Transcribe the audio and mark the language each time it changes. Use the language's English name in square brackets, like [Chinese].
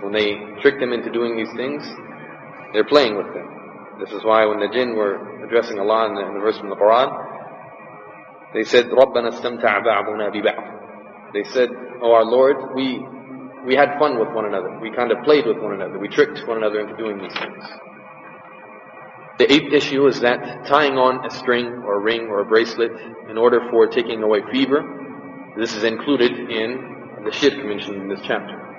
[English] When they trick them into doing these things, they're playing with them. This is why when the jinn were addressing Allah in the verse from the Quran, They said, [Arabic] رَبَّنَا اسْتَمْتَعْ بَعْضُنَا بِبَعْضٍ. [English] They said, oh our Lord, we had fun with one another. We kind of played with one another. We tricked one another into doing these things. The eighth issue is that tying on a string or a ring or a bracelet in order for taking away fever, this is included in the shirk mentioned in this chapter.